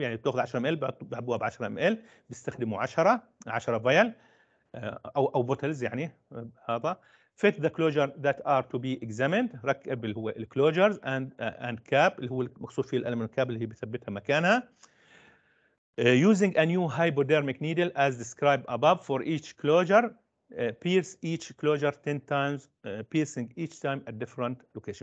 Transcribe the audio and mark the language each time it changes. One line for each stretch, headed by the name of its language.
Arabic: يعني بتاخذ 10 ml بيعبوها ب 10 ml. بيستخدموا 10 فيال او بوتلز.
English: يعني هذا fit the closure that are to be examined.
Arabic: ركب اللي هو الكلوجرز and cap اللي هو مخصوص فيه الألمنيوم كاب اللي هي بثبتها مكانها.
English: Using a new hypodermic needle as described above for each closure. Pierce each closure 10 times. Piercing each time a different location.